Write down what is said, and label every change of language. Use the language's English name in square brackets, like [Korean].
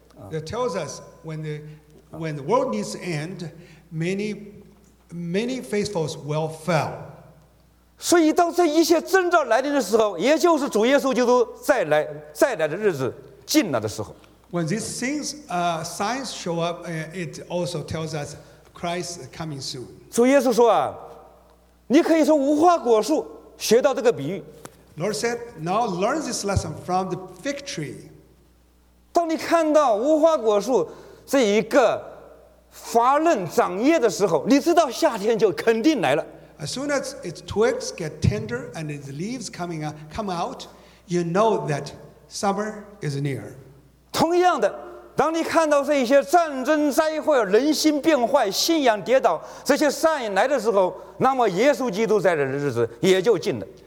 [English] It tells us when the world needs to end, many faithfuls will fall. [Chinese] 所以当这一切征兆来临的时候，也就是主耶稣基督再来的日子近了的时候。 [English] When these things signs show up, it also tells us Christ is coming soon. [Chinese] 主耶稣说啊。你可以从无花果树学到这个比喻。 [English] Lord said, "Now learn this lesson from the fig tree." [Chinese] 当你看到无花果树这一个发嫩长叶的时候，你知道夏天就肯定来了。 [English] As soon as its twigs get tender and its leaves come out, you know that summer is near. [Chinese] 同样的，当你看到这些战争灾祸、人心变坏、信仰跌倒这些善意来的时候，那么耶稣基督在的日子也就近了。